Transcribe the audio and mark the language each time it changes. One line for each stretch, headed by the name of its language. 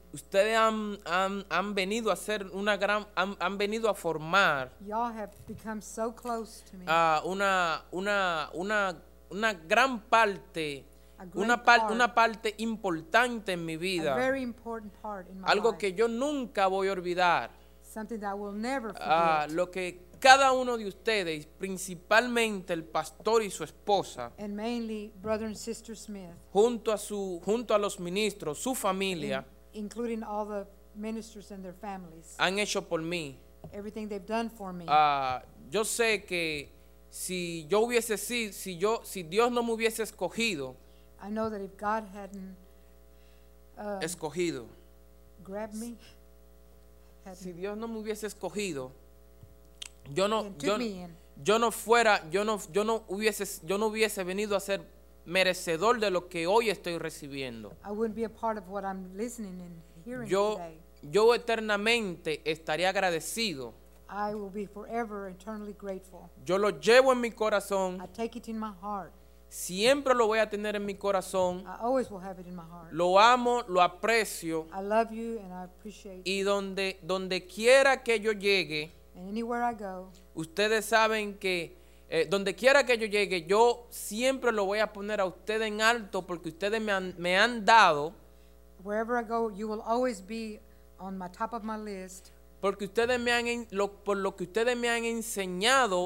Spanish: Ustedes han venido a ser una gran han venido a formar.
English: Y'all have become so close to me.
Spanish: Una gran parte. Una parte importante en mi vida.
English: A very important part in my
Spanish: algo
English: life.
Spanish: Que yo nunca voy a olvidar.
English: Something that I will never forget.
Spanish: Lo que cada uno de ustedes, principalmente el pastor y su esposa,
English: and mainly Brother and Sister Smith,
Spanish: junto a los ministros, su familia,
English: including all the ministers and their families,
Spanish: han hecho por mí.
English: Everything they've done for me.
Spanish: Yo sé que si yo hubiese sido, si Dios no me hubiese escogido,
English: I know that if God hadn't
Spanish: escogido,
English: grabbed me,
Spanish: si Dios no me hubiese escogido, yo no hubiese venido a ser merecedor de lo que hoy estoy recibiendo.
English: I wouldn't be a part of what I'm listening and hearing today.
Spanish: Yo eternamente estaría agradecido.
English: I will be forever eternally grateful.
Spanish: Yo lo llevo en mi corazón.
English: I take it in my heart.
Spanish: Siempre lo voy a tener en mi corazón.
English: I always will have it in my heart.
Spanish: Lo amo, lo aprecio.
English: I love you and I appreciate
Spanish: y donde quiera que yo llegue.
English: And anywhere I go.
Spanish: Ustedes saben que donde quiera que yo llegue, yo siempre lo voy a poner a ustedes en alto porque ustedes me han dado.
English: Wherever I go, you will always be on my top of my list.
Spanish: Porque ustedes por lo que ustedes me han enseñado.